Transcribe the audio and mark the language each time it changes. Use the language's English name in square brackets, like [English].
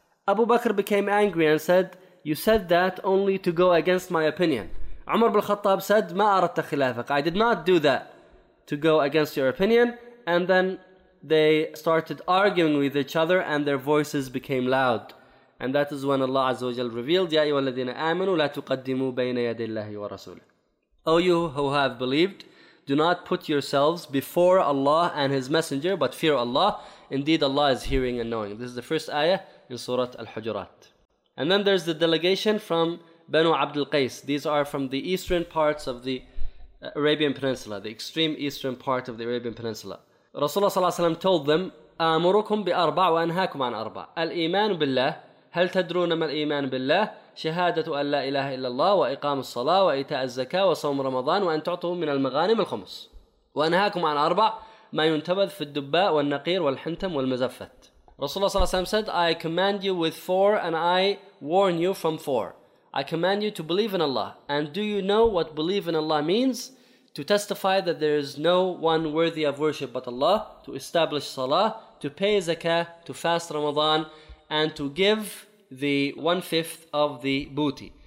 [English] Abu Bakr became angry and said, you said that only to go against my opinion. Umar bin Khattab said, [Arabic] ما أردت خلافك. [English] I did not do that to go against your opinion. And then they started arguing with each other and their voices became loud. And that is when Allah Azza wa Jal revealed, [Arabic] يَا أَيُّهَا الَّذِينَ آمَنُوا لَا تُقَدِّمُوا بَيْنَ يَدِ اللَّهِ وَرَسُولِهِ. [English] O you who have believed, do not put yourselves before Allah and His Messenger, but fear Allah. Indeed, Allah is hearing and knowing. This is the first ayah in Surah Al-Hujurat. And then there's the delegation from Banu Abd al-Qais. These are from the eastern parts of the Arabian Peninsula, the extreme eastern part of the Arabian Peninsula. Rasulullah ﷺ told them, [Arabic] أمركم بأربع وأنهاكم عن أربع. الإيمان بالله. هل تدرون ما الإيمان بالله؟ شهادة أن لا إله إلا الله وإقام الصلاة وإيتاء الزكاة وصوم رمضان وأن تعطوا من المغانم الخمس. وأنهاكم عن أربع ما ينتبذ في الدباء والنقير والحنتم والمزفت. [English] Rasulullah ﷺ said, I command you with four and I warn you from four. I command you to believe in Allah. And do you know what believe in Allah means? To testify that there is no one worthy of worship but Allah, to establish salah, to pay zakah, to fast Ramadan, and to give the one-fifth of the booty.